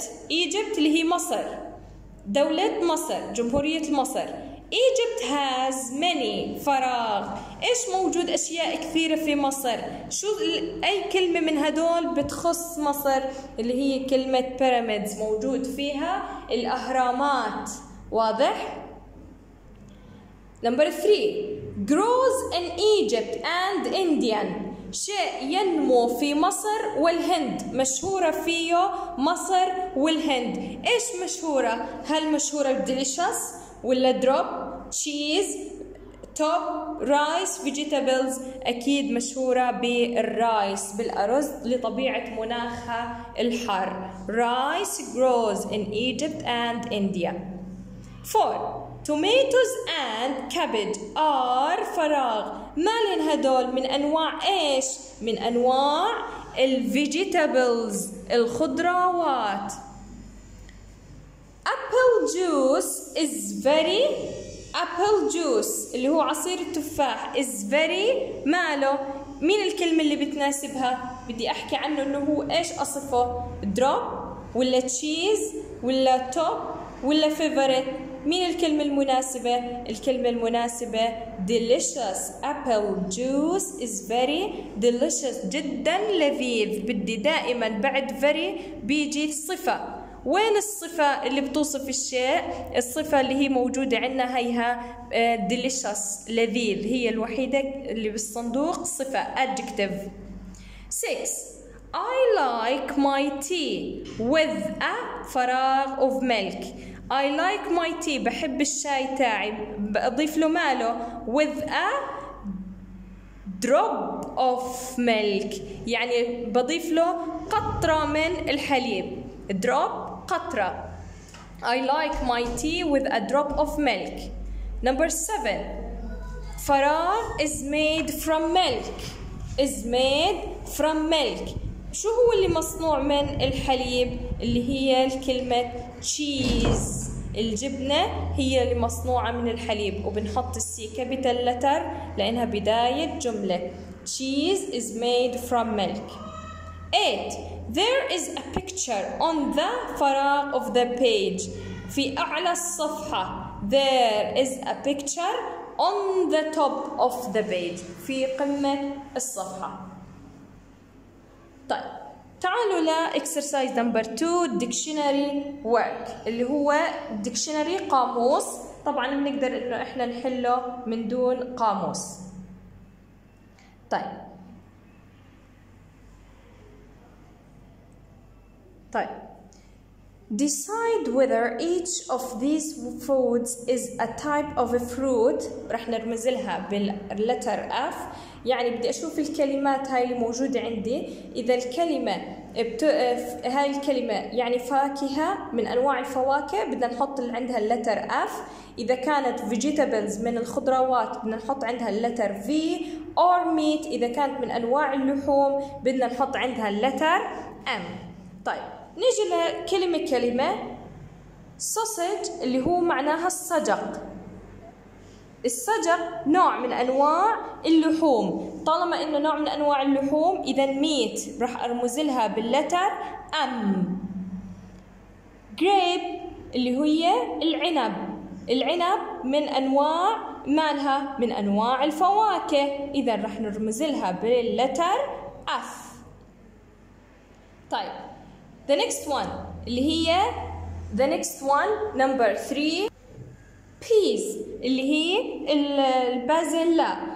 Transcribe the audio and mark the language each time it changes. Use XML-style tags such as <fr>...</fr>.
<ar>Egypt اللي هي مصر، دولة مصر، جمهورية مصر.</ar> <en>Egypt has many فراغ.</en> <ar>إيش موجود أشياء كثيرة في مصر؟ شو أي كلمة من هدول بتخص مصر؟ اللي هي كلمة pyramids، موجود فيها الأهرامات. واضح؟</ar> <en>Number three. Grows in Egypt and India.</en> <ar>شيء ينمو في مصر والهند، مشهورة فيه مصر والهند. إيش مشهورة؟ هل مشهورة delicious ولا drop cheese top rice vegetables؟ أكيد مشهورة بالرايس، بالأرز، لطبيعة مناخها الحار.</ar> <en>Rice grows in Egypt and India. Four. Tomatoes and cabbage are فراغ.</en> <ar>ما لهن هدول من أنواع إيش؟ من أنواع الvegetables الخضروات.</ar> <en>Apple juice is very. Apple juice</en> <ar>اللي هو عصير التفاح</ar> <en>is very.</en> <ar>ماله؟ مين الكلمة اللي بتناسبها؟ بدي أحكي عنه إنه هو إيش أصفه؟ drop ولا cheese ولا top ولا favorite؟ مين الكلمة المناسبة؟ الكلمة المناسبة delicious.</ar> <en>Apple juice is very delicious.</en> <ar>جدا لذيذ. بدي دائما بعد very بيجي صفة. وين الصفة اللي بتوصف الشيء؟ الصفة اللي هي موجودة عندنا هيها delicious لذيذ، هي الوحيدة اللي بالصندوق صفة adjective.</ar> <en>6. I like my tea with a فراغ of milk. I like my tea</en> <ar>بحب الشاي تاعي، بضيف له ماله؟</ar> <en>with a drop of milk</en> <ar>يعني بضيف له قطرة من الحليب. drop قطرة.</ar> <en>I like my tea with a drop of milk. Number 7. فراغ is made from milk. Is made from milk.</en> <ar>شو هو اللي مصنوع من الحليب؟ اللي هي الكلمة تشيز. الجبنة هي اللي مصنوعة من الحليب، وبنحط السي كابيتال لتر لأنها بداية جملة.</ar> <en>Cheese is made from milk. 8. There is a picture on the فراغ of the page.</en> <ar>في أعلى الصفحة.</ar> <en>There is a picture on the top of the page.</en> <ar>في قمة الصفحة. طيب تعالوا لـ</ar> <en>exercise number 2 dictionary work،</en> <ar>اللي هو dictionary قاموس. طبعا بنقدر انه احنا نحله من دون قاموس.</ar> <en>طيب decide whether each of these foods is a type of a fruit.</en> <ar>رح نرمز لها بالletter F، يعني بدي أشوف الكلمات هاي اللي موجودة عندي، إذا الكلمة بتقف هاي الكلمة يعني فاكهة من أنواع الفواكه بدنا نحط اللي عندها letter F، إذا كانت vegetables من الخضروات بدنا نحط عندها letter V، or meat إذا كانت من أنواع اللحوم بدنا نحط عندها letter M. طيب نيجي لكلمة كلمة sausage اللي هو معناها الصجق. الصجق نوع من أنواع اللحوم، طالما إنه نوع من أنواع اللحوم إذا ميت رح أرمز لها باللتر M. grape اللي هي العنب، العنب من أنواع مالها من أنواع الفواكه، إذا رح نرمز لها باللتر F. طيب</ar> <en>the next one</en> <ar>اللي هي</ar> <en>the next one number 3</en> <ar>peas اللي هي البازيلا.</ar>